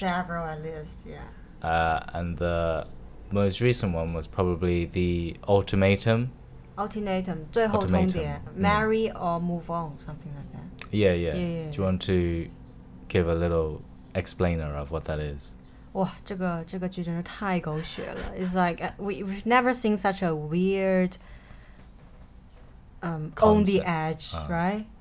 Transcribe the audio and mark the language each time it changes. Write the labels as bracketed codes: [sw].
[en] Several at least, yeah. And the most recent one was probably The Ultimatum. Ultimatum, 最后通牒, marry or move on, something like that. Yeah, yeah. Do you want to give a little explainer of what that is? [zh] 哇,这个剧真是太狗血了. [en] It's like, we've never seen such a weird on the edge, right?